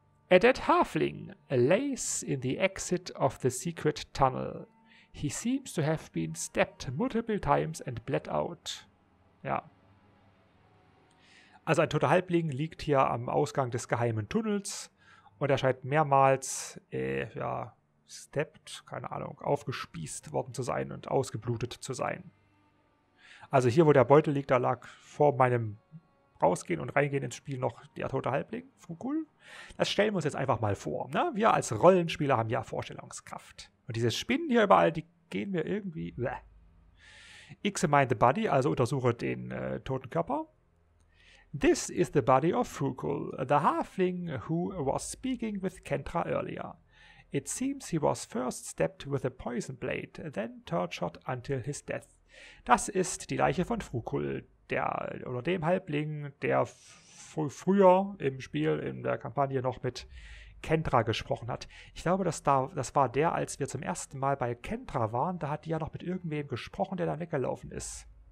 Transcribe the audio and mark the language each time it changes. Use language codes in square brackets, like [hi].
[en] A dead halfling lays in the exit of the secret tunnel. He seems to have been stabbed multiple times and bled out. [de] Ja. Also ein toter Halbling liegt hier am Ausgang des geheimen Tunnels und er scheint mehrmals, stabbed, keine Ahnung, aufgespießt worden zu sein und ausgeblutet zu sein. Also hier, wo der Beutel liegt, da lag vor meinem Rausgehen und reingehen ins Spiel noch der tote Halbling. Cool. Das stellen wir uns jetzt einfach mal vor. Ne? Wir als Rollenspieler haben ja Vorstellungskraft. Und diese Spinnen hier überall, die gehen mir irgendwie... Bleh. [en] Examine the body, [de] also untersuche den toten Körper. [en] This is the body of Frukul, the halfling who was speaking with Kentra earlier. It seems he was first stabbed with a poison blade, then tortured until his death. [de] Das ist die Leiche von Frukul, dem Halbling, der früher im Spiel, in der Kampagne noch mit Kentra gesprochen hat. Ich glaube, das war der, als wir zum ersten Mal bei Kentra waren, da hat die ja noch mit irgendwem gesprochen, der dann weggelaufen ist.